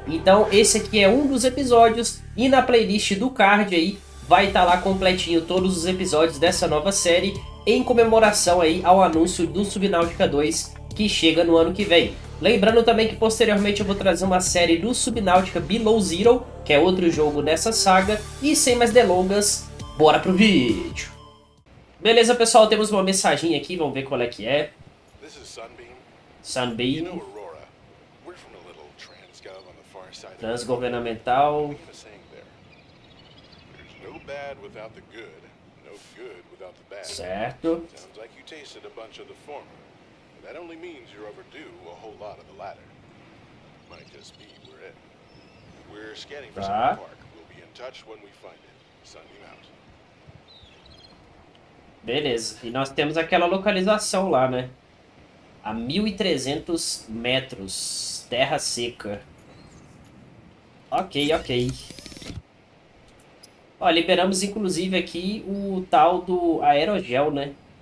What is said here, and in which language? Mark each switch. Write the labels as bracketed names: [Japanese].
[Portuguese] Então, esse aqui é um dos episódios, e na playlist do card aí vai estar lá completinho todos os episódios dessa nova série, em comemoração aí ao anúncio do Subnautica 2 que chega no ano que vem. Lembrando também que posteriormente eu vou trazer uma série do Subnautica Below Zero, que é outro jogo nessa saga, e sem mais delongas, bora pro vídeo! Beleza, pessoal, temos uma mensagem aqui, vamos ver qual é que é. [English] This is Sunbeam. You Sunbeam. know Aurora. We're from a little transgov on the far side of the world. [Portuguese] Transgovernamental. [English] We have a saying there. There's no bad without the good, no good without the bad. [Portuguese] Certo. [English] Sounds like you tasted a bunch of the former. That only means you're overdue a whole lot of the latter. Might just be we're it. We're scanning for some park. We'll be in touch when we find it. Sunbeam out. [Portuguese] Beleza, e nós temos aquela localização lá, né? A 1.300 metros, terra seca. Ok. Ó, liberamos inclusive aqui o tal do aerogel, né?